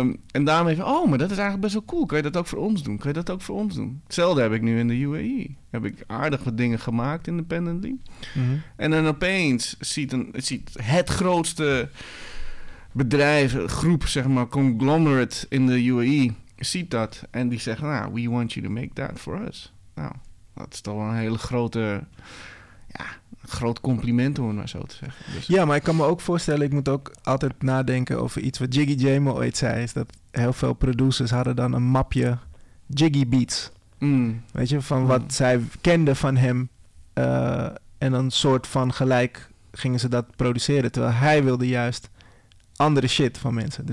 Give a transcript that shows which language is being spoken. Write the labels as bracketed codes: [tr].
[nl] En daarmee van, oh, maar dat is eigenlijk best wel cool. Kan je dat ook voor ons doen? Hetzelfde heb ik nu in de UAE. Heb ik aardig wat dingen gemaakt independently. Mm-hmm. En dan opeens ziet het grootste bedrijf, groep, zeg maar, conglomerate in de UAE, ziet dat. En die zeggen, nou, [en] we want you to make that for us. [nl] Nou, dat is toch wel een hele grote, ja, groot compliment, om het maar zo te zeggen. Dus. Ja, maar ik kan me ook voorstellen, ik moet ook altijd nadenken over iets wat Jiggy Jamo ooit zei, is dat heel veel producers hadden dan een mapje Jiggy Beats. Mm. Weet je, van wat zij kenden van hem. En een soort van gelijk gingen ze dat produceren, terwijl hij wilde juist andere shit van mensen.